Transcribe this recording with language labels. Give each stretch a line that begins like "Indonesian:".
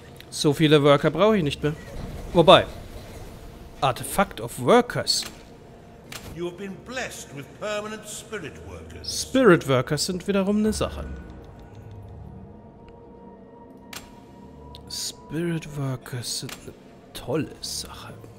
German: So viele Worker brauche ich nicht mehr. Wobei. Artifact of Workers.
English: You have been blessed with permanent spirit workers.
German: Spirit Workers sind wiederum eine Sache. Spirit Workers sind eine tolle Sache.